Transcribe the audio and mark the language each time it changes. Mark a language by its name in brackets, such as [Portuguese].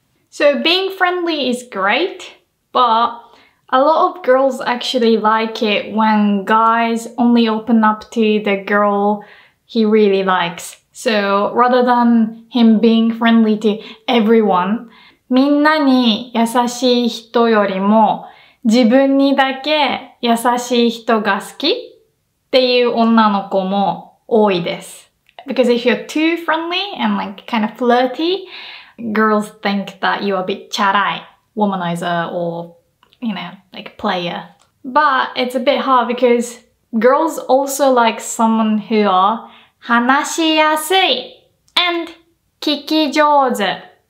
[English] So being friendly is great. But a lot of girls actually like it when guys only open up to the girl he really likes. So rather than him being friendly to everyone, [Japanese] みんなに優しい人よりも自分にだけ優しい人が好きっていう女の子も多いです。 [English] Because if you're too friendly and like kind of flirty, girls think that you're a bit チャラい。 Womanizer or, you know, like player. But it's a bit hard because girls also like someone who are [Japanese] 話しやすい and 聞き上手